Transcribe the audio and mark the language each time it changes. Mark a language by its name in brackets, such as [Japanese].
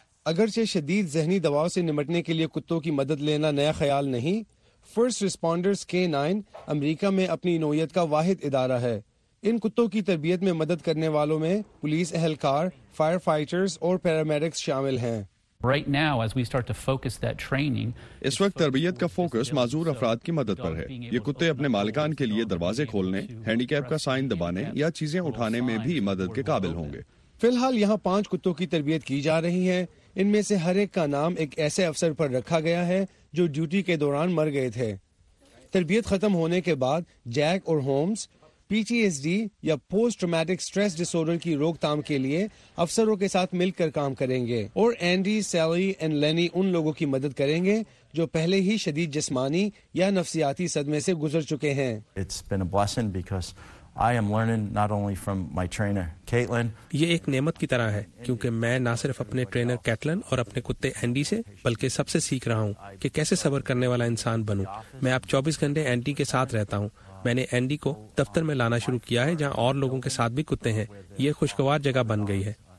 [Urdu] اگرچہ شدید ذہنی دباؤ سے نمٹنے کے لیے کتوں کی مدد لینا نیا خیال نہیں, فرسٹ ریسپونڈرز K9 امریکہ میں اپنی نوعیت کا واحد ادارہ ہے. ان کتوں کی تربیت میں مدد کرنے والوں میں پولیس اہلکار, فائر فائٹرز اور پیرامیڈکس شامل ہیں. [English] Right now, as we start to focus that training, [Urdu] اس وقت تربیت کا فوکس معذور افراد کی مدد پر ہے. یہ کتے اپنے مالکان کے لیے دروازے کھولنے, ہینڈی کیپ کا سائن دبانے یا چیزیں اٹھانے میں بھی مدد کے قابل ہوں گے. فی الحال یہاں 5 کتوں کی تربیت کی جا رہی ہے. ان میں سے ہر ایک کا نام ایک ایسے افسر پر رکھا گیا ہے جو ڈیوٹی کے دوران مر گئے تھے. تربیت ختم ہونے کے بعد جیک اور ہومز PTSD یا پوسٹ ٹرامیٹک سٹریس ڈسورڈر کی روک تھام کے لیے افسروں کے ساتھ مل کر کام کریں گے, اور اینڈی, سیلی اینڈ لینی ان لوگوں کی مدد کریں گے جو پہلے ہی شدید جسمانی یا نفسیاتی صدمے سے گزر چکے ہیں. [English] It's been a blessing because I am learning not only from my trainer Caitlin. [Urdu] یہ ایک نعمت کی طرح ہے کیونکہ میں نہ صرف اپنے ٹرینر کیٹلن اور اپنے کتے اینڈی سے بلکہ سب سے سیکھ رہا ہوں کہ کیسے صبر کرنے والا انسان بنوں. میں اب 24 گھنٹے اینڈی کے ساتھ رہتا ہوں. میں نے اینڈی کو دفتر میں لانا شروع کیا ہے جہاں اور لوگوں کے ساتھ بھی کتے ہیں. یہ خوشگوار جگہ بن گئی ہے.